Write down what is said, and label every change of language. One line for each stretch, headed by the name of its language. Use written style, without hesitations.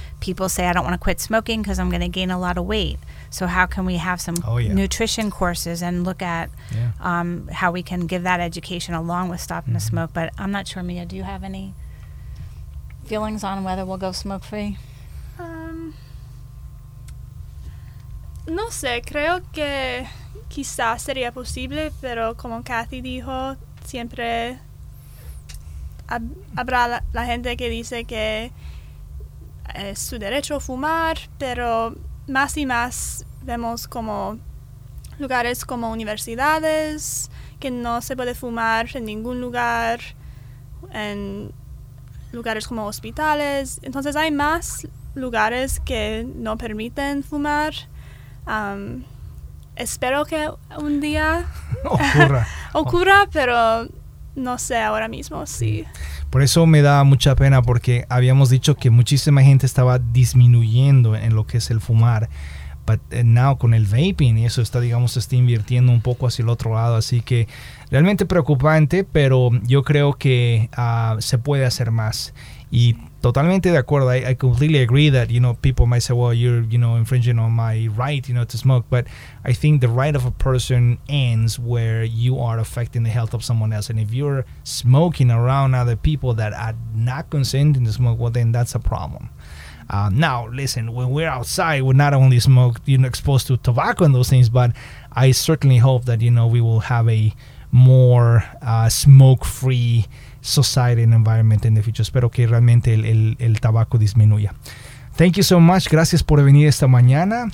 English: People say, I don't want to quit smoking because I'm going to gain a lot of weight. So how can we have some nutrition courses and look at how we can give that education along with stopping to smoke? But I'm not sure, Mia, do you have any feelings on whether we'll go smoke-free?
Spanish: No sé, creo que quizás sería posible, pero como Kathy dijo, siempre habrá la gente que dice que es su derecho fumar, pero más y más vemos como lugares como universidades, que no se puede fumar en ningún lugar, en lugares como hospitales. Entonces hay más lugares que no permiten fumar. Espero que un día ocurra, pero no sé ahora mismo si. Por eso me da mucha pena, porque habíamos dicho que muchísima gente estaba disminuyendo en lo que es el fumar.
English: But now
Spanish: con el vaping, y eso está, digamos, está invirtiendo un poco hacia el otro lado. Así que realmente preocupante, pero yo creo que se puede hacer más. Y totalmente de acuerdo.
English: I completely agree that, you know, people might say, well, you're, you know, infringing on my right, you know, to smoke. But I think the right of a person ends where you are affecting the health of someone else. And if you're smoking around other people that are not consenting to smoke, well, then that's a problem. Now, listen, when we're outside, we're not only smoked, you know, exposed to tobacco and those things, but I certainly hope that, you know, we will have a more smoke-free society and environment in the future.
Spanish: Espero que realmente el tabaco disminuya.
English: Thank you so much.
Spanish: Gracias por venir esta mañana.